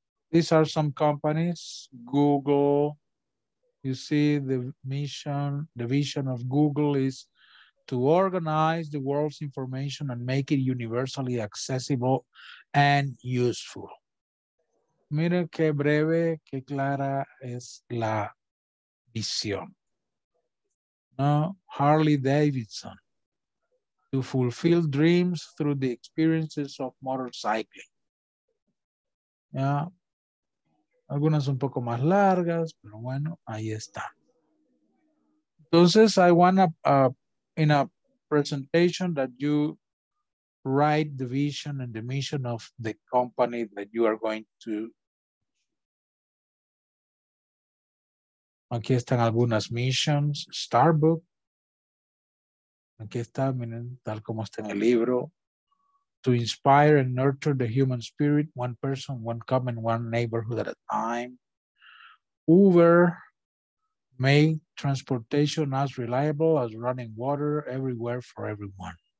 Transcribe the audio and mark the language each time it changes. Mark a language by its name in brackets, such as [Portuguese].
[English] These are some companies. Google, you see the mission, the vision of Google is to organize the world's information and make it universally accessible and useful. [Spanish] Mira qué breve, qué clara es la visión. [English] No, Harley Davidson, to fulfill dreams through the experiences of motorcycling. [Spanish] Ya, algunas un poco más largas, pero bueno, ahí está. [English] Entonces, I want in a presentation that you write the vision and the mission of the company that you are going to [Spanish] Aquí están algunas missions, Starbucks. Aquí está, miren, tal como está en el libro. [English] To inspire and nurture the human spirit, one person, one common, one neighborhood at a time. Uber, make transportation as reliable as running water everywhere for everyone.